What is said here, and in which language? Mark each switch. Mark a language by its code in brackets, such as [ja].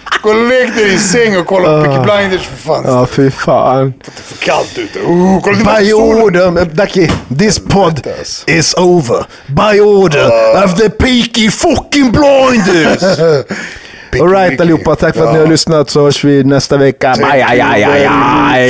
[sv] Gå och lek dig i säng och kolla på Peaky Blinders för fan. Ja, fy fan. Det är för kallt ute. [en] By order, Dacke, this pod is over. By order of the Peaky fucking Blinders. All right, Peaky. [sv] Allihopa, tack för att ni har lyssnat. Så hörs vi nästa vecka. Bye.